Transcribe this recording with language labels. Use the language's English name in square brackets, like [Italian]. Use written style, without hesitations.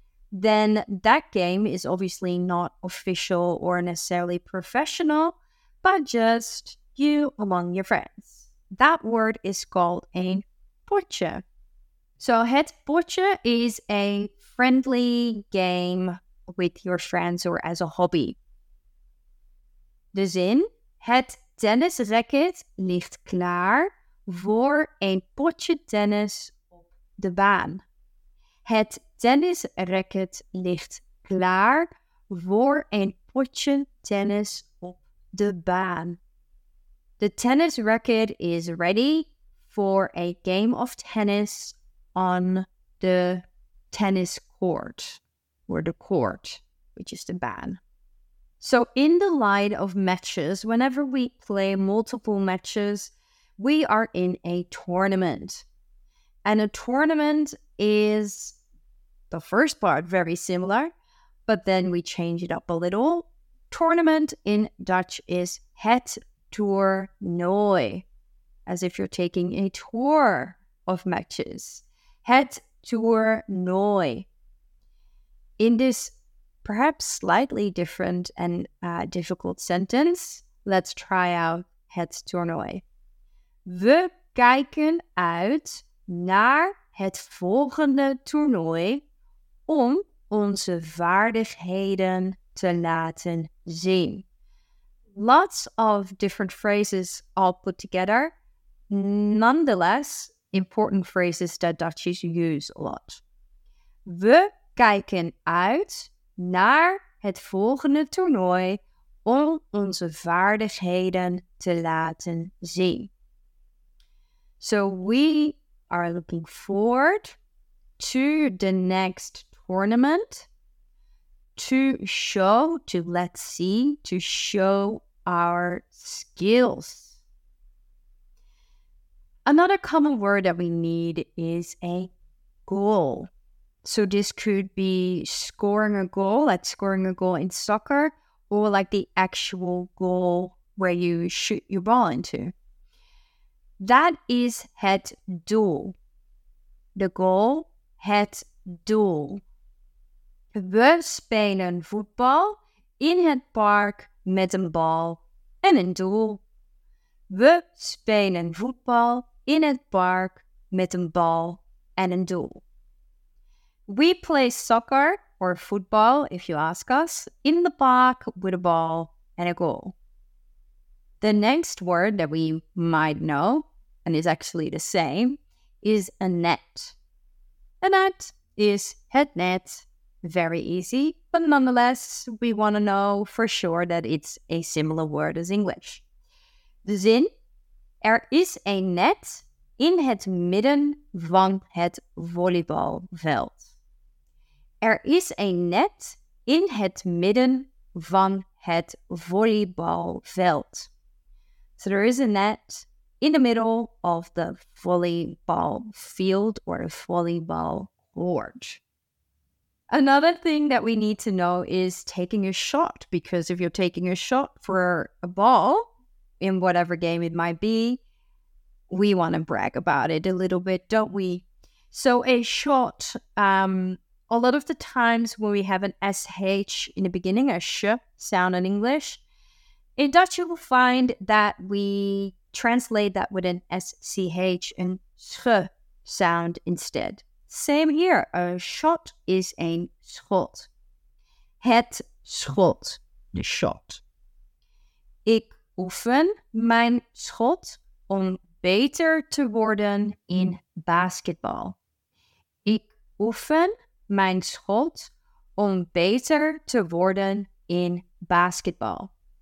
[English] Then that game is obviously not official or necessarily professional, but just you among your friends. That word is called a potje. So het potje is a friendly game with your friends or as a hobby. [Dutch] De zin, het tennisracket ligt klaar voor een potje tennis op de baan. Het tennisracket ligt klaar voor een potje tennis op de baan. [English] The tennis racket is ready for a game of tennis on the tennis court, or the court, which is the baan. So in the light of matches, whenever we play multiple matches, we are in a tournament. And a tournament is the first part very similar, but then we change it up a little. Tournament in Dutch is het toernooi, as if you're taking a tour of matches. [Dutch] Het toernooi. [English] In this perhaps slightly different and difficult sentence, let's try out het toernooi. [Dutch] We kijken uit naar het volgende toernooi om onze vaardigheden te laten zien. [English] Lots of different phrases all put together. Nonetheless, important phrases that Dutchies use a lot. [Dutch] We kijken uit naar het volgende toernooi om onze vaardigheden te laten zien. [English] So we are looking forward to the next tournament to show, to let see, to show our skills. Another common word that we need is a goal. So this could be scoring a goal, like scoring a goal in soccer, or like the actual goal where you shoot your ball into. That is het doel. The goal, het doel. [Dutch] We spelen voetbal in het park met een bal en een doel. We spelen voetbal in het park met een bal en een doel. [English] We play soccer or football, if you ask us, in the park with a ball and a goal. The next word that we might know, and is actually the same, is a net. A net is het net. Very easy, but nonetheless, we want to know for sure that it's a similar word as English. [Dutch] De zin, er is een net in het midden van het volleybalveld. Er is een net in het midden van het volleybalveld. [English] So there is a net in the middle of the volleyball field or the volleyball court. Another thing that we need to know is taking a shot, because if you're taking a shot for a ball in whatever game it might be, we want to brag about it a little bit, don't we? So a shot, a lot of the times when we have an SH in the beginning, a sh sound in English, in Dutch you will find that we translate that with an SCH and sch sound instead. Same here, a shot is een schot. [Dutch] Het schot, [English] the shot. [Dutch] Ik oefen mijn schot om beter te worden in basketbal. Ik oefen mijn schot om beter te worden in basketbal.